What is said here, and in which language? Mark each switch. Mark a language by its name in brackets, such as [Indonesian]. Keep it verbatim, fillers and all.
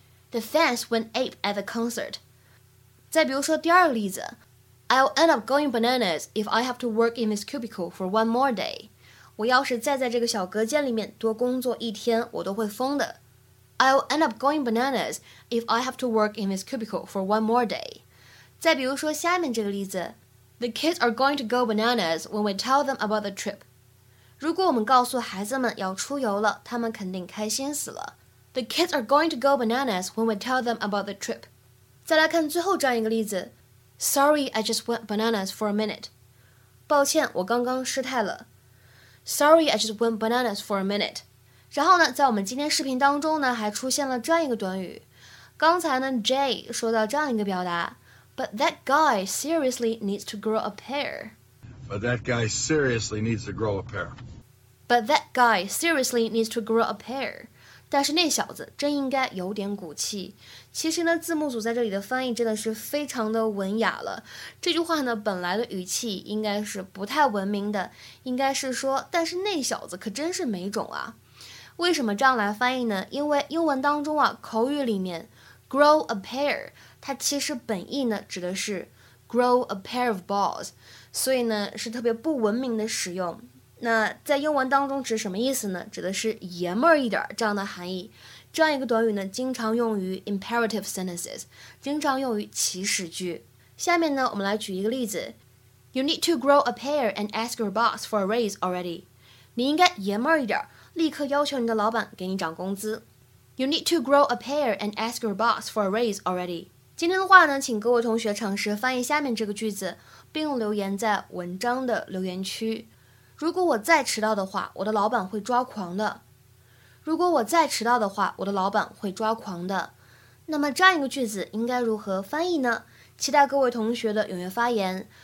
[English] The fans went ape at the concert。 [Chinese] 再比如说第二个例子， [English] I'll end up going bananas if I have to work in this cubicle for one more day， [Chinese] 我要是再在这个小隔间里面多工作一天，我都会疯的。 [English] I'll end up going bananas if I have to work in this cubicle for one more day。 [Chinese] 再比如说下面这个例子， [English] The kids are going to go bananas when we tell them about the trip。 [Chinese] 如果我们告诉孩子们要出游了，他们肯定开心死了。 [English] The kids are going to go bananas when we tell them about the trip。 [Chinese] 再来看最后这样一个例子， [English] Sorry, I just went bananas for a minute。 [Chinese] 抱歉，我刚刚失态了。 [English] Sorry, I just went bananas for a minute。 [Chinese] 然后呢在我们今天视频当中呢还出现了这样一个短语。刚才呢 Jay 说到这样一个表达， [English] But that guy seriously needs to grow a pair。 But that guy seriously needs to grow a pair。 But that guy seriously needs to grow a pair。 [Chinese] 但是那小子真应该有点骨气。其实呢字幕组在这里的翻译真的是非常的文雅了，这句话呢本来的语气应该是不太文明的，应该是说但是那小子可真是没种啊。为什么这样来翻译呢？因为英文当中啊口语里面 grow a pair 它其实本意呢指的是 [English] grow a pair of balls， [Chinese] 所以呢是特别不文明的使用。那在英文当中指什么意思呢？指的是爷们儿一点这样的含义。这样一个短语呢经常用于 [English] imperative sentences， [Chinese] 经常用于祈使句。下面呢我们来举一个例子， [English] You need to grow a pair and ask your boss for a raise already。 [Chinese] 你应该爷们儿一点，立刻要求你的老板给你涨工资。 [English] You need to grow a pair and ask your boss for a raise already。 [Chinese] 今天的话呢请各位同学尝试翻译下面这个句子，并留言在文章的留言区。如果我再迟到的话，我的老板会抓狂的。如果我再迟到的话，我的老板会抓狂的。那么这样一个句子应该如何翻译呢？期待各位同学的踊跃发言。